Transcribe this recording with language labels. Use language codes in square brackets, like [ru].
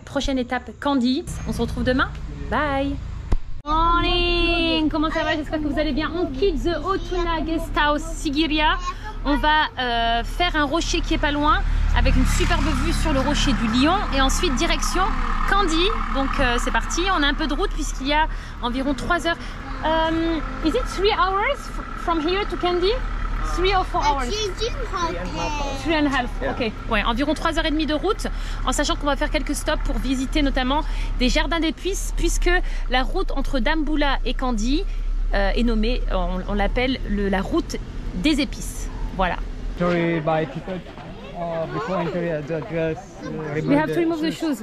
[fr] Prochaine étape, Kandy. On se retrouve demain. Bye! Morning! Comment ça va? J'espère que vous allez bien. On quitte the Otuna Guest House Sigiriya. On va faire un rocher qui est pas loin avec une superbe vue sur le rocher du lion et ensuite direction Kandy. Donc c'est parti. On a un peu de route puisqu'il y a environ 3 heures. [en] Is it 3 hours from here to Kandy? 3 or 4 hours? 3 and a half. Ok. [fr] Ouais, environ 3h30 de route, en sachant qu'on va faire quelques stops pour visiter notamment des jardins d'épices, puisque la route entre Dambulla et Kandy est nommée, on l'appelle la route des épices. Voilà. [en] Sorry, by ticket. Before entry, the address. We have to remove the shoes.